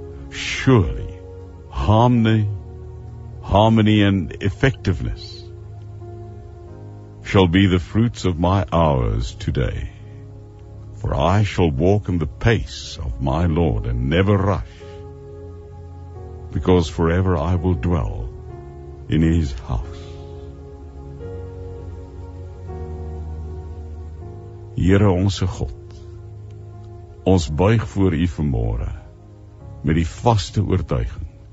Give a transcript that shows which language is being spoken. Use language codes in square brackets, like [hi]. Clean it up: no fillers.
[en] Surely, harmony and effectiveness shall be the fruits of my hours today. For I shall walk in the pace of my Lord and never rush, because forever I will dwell in His house. [af] Here, onze God, ons buig voor U vanmorgen. met die vaste oortuiging.